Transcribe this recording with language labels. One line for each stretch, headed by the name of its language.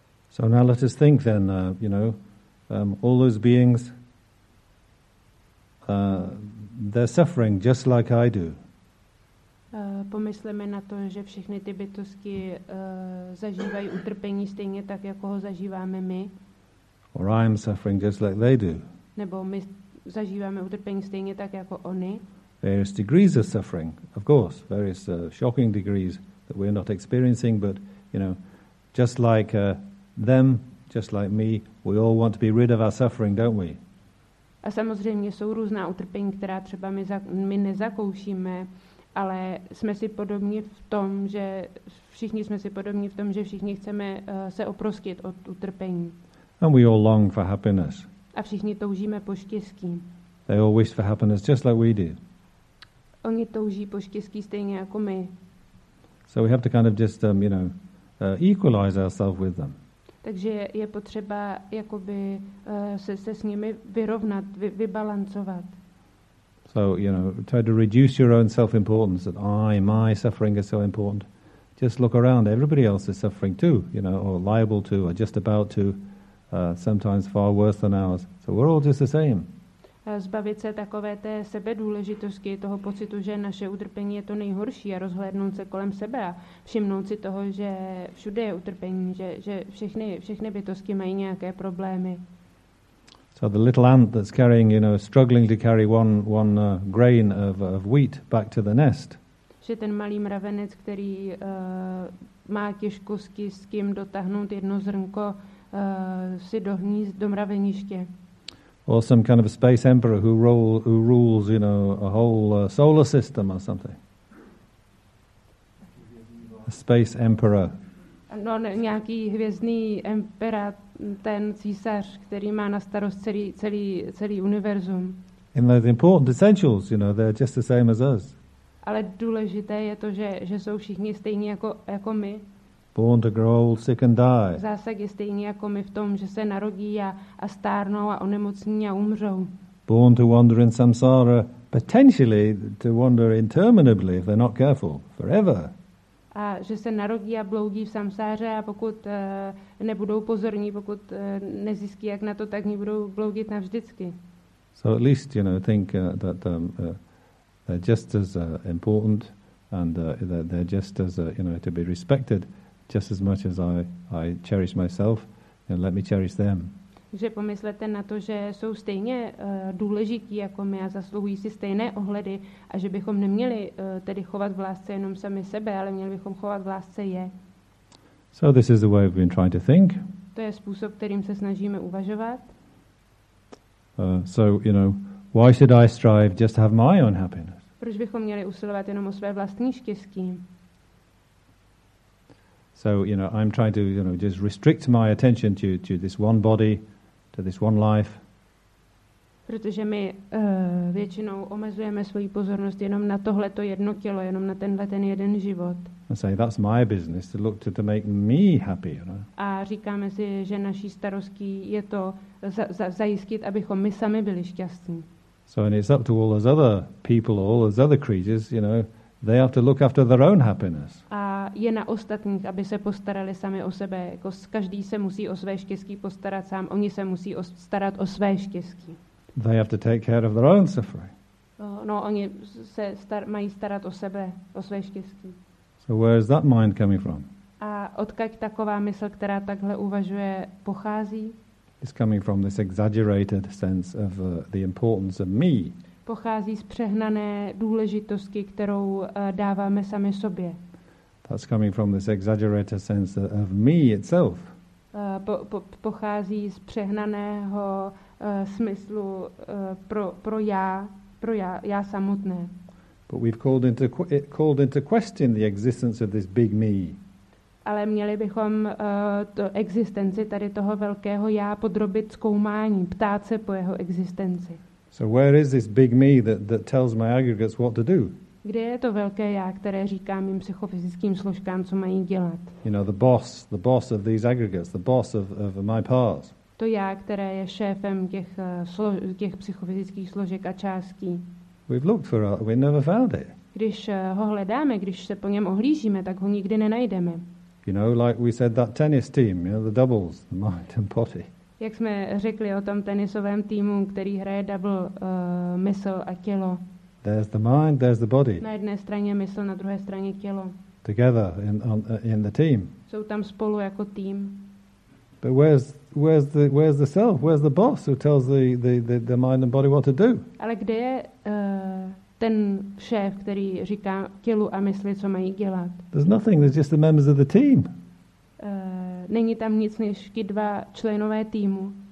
English: So now let us think then, all those beings, they're suffering just like I do.
Czech: Pomysleme na to, že všechny ty bytosti zažívají utrpení stejně tak, jako ho zažíváme my.
English: Or I'm suffering just like they do.
Czech: Nebo my zažíváme utrpení stejně tak, jako oni.
English: Various degrees of suffering, of course, various shocking degrees that we're not experiencing, but, just like them, just like me, we all want to be rid of our suffering, don't we?
Czech: A samozřejmě jsou různá utrpení, která třeba my nezakoušíme, ale jsme si podobní v tom, že všichni jsme si podobní v tom, že všichni chceme se oprostit od utrpení.
English: And we all long for happiness.
Czech: A všichni toužíme po štěstí.
English: They all wish for happiness just like we do.
Czech: Oni touží po štěstí stejně jako my.
English: So we have to kind of just equalize ourselves with them.
Czech: Takže je potřeba jakoby se s nimi vyrovnat, vybalancovat.
English: So, try to reduce your own self-importance, that my suffering is so important. Just look around, everybody else is suffering too, or liable to, or just about to, sometimes far worse than ours. So we're all just the same.
Czech: zbavit se takové té sebedůležitosti, toho pocitu, že naše utrpení je to nejhorší a rozhlédnout se kolem sebe a všimnout si toho, že všude je utrpení, že všechny bytosti mají nějaké problémy.
English: So the little ant that's carrying, you know, struggling to carry one grain of wheat back to the nest.
Czech: Že ten malý mravenec, který má těžkosti s kým dotáhnout jedno zrnko si do hnízd, do mraveniště.
English: Or some kind of a space emperor who rules, you know, a whole solar system or something. A space emperor.
Czech: No, nějaký hvězdný emperát, ten císař, který má na starost celý univerzum.
English: And the important essentials, you know, they're just the same as us.
Czech: Ale důležité je to, že jsou všichni stejní jako my.
English: Born to grow old, sick and die.
Czech: Zásah je stejný jako my v tom, že se narodí a stárnou a onemocní a umřou.
English: Born to wander in samsara, potentially to wander interminably if they're not careful, forever.
Czech: A že se narodí a bloudí v samsáře a pokud nebudou pozorní, pokud nezjistí jak na to, tak ní budou bloudit navždycky.
English: So at least, you know, think they're just as important and they're just as, you know, to be respected. Just as much as I cherish myself, and let me cherish them.
Czech: Že pomyslete na to, že jsou stejně důležití jako my a zasluhují si stejné ohledy a že bychom neměli tedy chovat v lásce jenom sami sebe, ale měli bychom chovat v lásce je.
English: So this is the way we've been trying to think.
Czech: To je způsob, kterým se snažíme uvažovat.
English: So, you know, why should I strive just to have my own happiness?
Czech: Proč bychom měli usilovat jenom o své vlastní štěstí?
English: So, you know, I'm trying to, you know, just restrict my attention to this one body, to this one life.
Czech: Protože my většinou omezujeme svoji pozornost jenom na tohleto jedno tělo, jenom na tenhle ten jeden život.
English: And say, that's my business, to look to make me happy, you know.
Czech: A říkáme si, že naší starostí je to zajistit, abychom my sami byli šťastní.
English: So, and it's up to all those other people, all those other creatures, you know, they have to look after their own happiness.
Czech: A je na ostatních, aby se postarali sami o sebe. Jako každý se musí o své štěstí postarat sám. Oni se musí starat o své štěstí.
English: They have to take care of their own suffering.
Czech: No, oni se mají starat o sebe, o své štěstí.
English: So where is that mind coming from?
Czech: A odkud taková mysl, která takhle uvažuje, pochází?
English: It's coming from this exaggerated sense of the importance of me.
Czech: Pochází z přehnané důležitosti, kterou dáváme sami sobě.
English: That's coming from this exaggerated sense of me itself.
Czech: Pochází z přehnaného smyslu pro já samotné.
English: But we've called into question the existence of this big me.
Czech: Ale měli bychom to existenci tady toho velkého já podrobit zkoumání, ptát se po jeho existenci.
English: So where is this big me that tells my aggregates what to do?
Czech: Kde je to velké já, které říká mým psychofyzickým složkám, co mají dělat?
English: You know, the boss of these aggregates, the boss of my parts.
Czech: To já, které je šéfem těch psychofyzických složek a částí.
English: We've looked for it, we never found it.
Czech: Když ho hledáme, když se po něm ohlížíme, tak ho nikdy nenajdeme.
English: You know, like we said, that tennis team, you know, the doubles, the mind and body.
Czech: Jak jsme řekli o tom tenisovém týmu, který hraje double mysl a tělo.
English: There's the mind, there's the body.
Czech: Na jedné straně mysl, na druhé straně tělo.
English: Together in the team.
Czech: Jsou tam spolu jako tým.
English: But where's the self? Where's the boss who tells the mind and body what to do?
Czech: Ale kde je ten šéf, který říká tělu a mysli, co mají dělat?
English: There's nothing. There's just the members of the team.
Czech: Není tam nic než ti dva členové týmu.